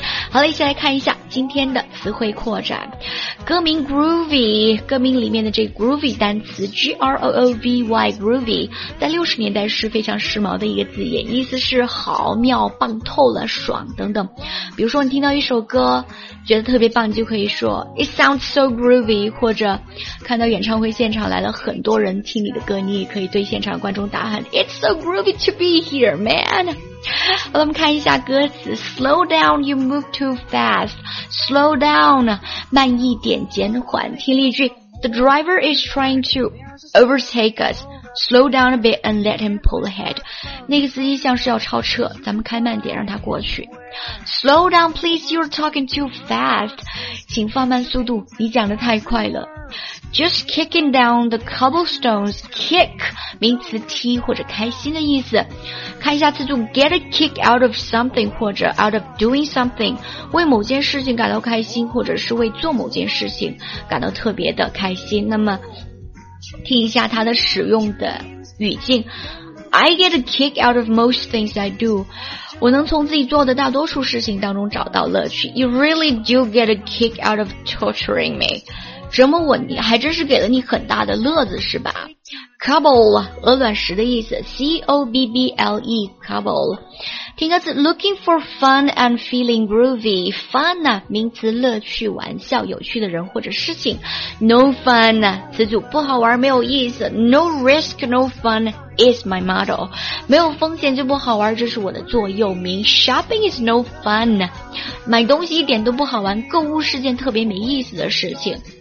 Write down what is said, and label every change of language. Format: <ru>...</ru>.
<zh>好了，一起来看一下今天的词汇扩展。歌名 groovy， 歌名里面的这 groovy 单词 G-R-O-O-V-Y groovy， 在60年代是非常时髦的一个字眼，意思是好、妙、棒透了、爽等等。比如说你听到一首歌觉得特别棒，就可以说</zh> <en>It sounds so groovy，</en> <zh>或者看到演唱会现场来了很多人听你的歌，你也可以对现场观众大喊</zh> <en>It's so groovy to be here man。</en> <zh>好了，我们看一下歌词</zh> <en>Slow down, you move too fast.</en> <zh>Slow down, 慢一点，减缓。听例句</zh> <en>The driver is trying to overtake us. Slow down a bit and let him pull ahead.</en> <zh>那个司机像是要超车，咱们开慢点，让他过去。</zh> <en>Slow down, please, you're talking too fast.</en> <zh>请放慢速度，你讲得太快了。</zh> <en>Just kicking down the cobblestones.</en> <zh>Kick 名词踢或者开心的意思。看一下词组 Get a kick out of something 或者 out of doing something， 为某件事情感到开心，或者是为做某件事情感到特别的开心。那么听一下它的使用的语境，</zh> <en>I get a kick out of most things I do.</en> <zh>我能从自己做的大多数事情当中找到乐趣。</zh> <en>You really do get a kick out of torturing me.</en> <zh>折磨我你还真是给了你很大的乐子是吧？ Cobble, 鹅卵石的意思 C-O-B-B-L-E, Cobble 听歌词</zh> <en>Looking for fun and feeling groovy</en> <zh>Fun, 名词乐趣玩笑有趣的人或者事情 No fun, 此组不好玩没有意思</zh> <en>No risk, no fun is my motto</en> <zh>没有风险就不好玩这是我的座右铭</zh> <en>Shopping is no fun</en> <zh>买东西一点都不好玩购物是件特别没意思的事情</zh>